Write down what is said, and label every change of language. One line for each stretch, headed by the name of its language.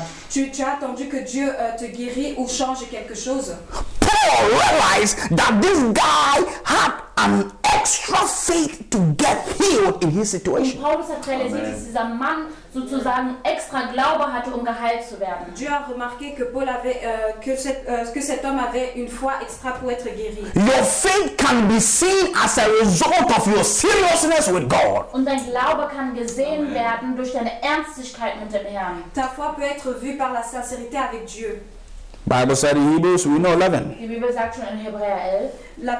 French: Tu as attendu que Dieu te guérit ou change quelque chose.
English: Paul realized that this guy had an extra faith to get healed in his situation.
German: Paulus hat realisiert, dass dieser Mann sozusagen extra Glaube hatte, geheilt zu werden.
French: Dieu a remarqué que Paul avait que cet homme avait une foi extra pour être guéri.
English: Your faith can be seen as a result of your seriousness with God.
German: Und dein Glaube kann gesehen werden durch deine Ernstigkeit mit dem Herrn.
French: Ta foi peut être vue par la sincérité avec Dieu.
English: Bible said in Hebrews, we know 11.
German: Die Bibel sagt schon in Hebräer 11.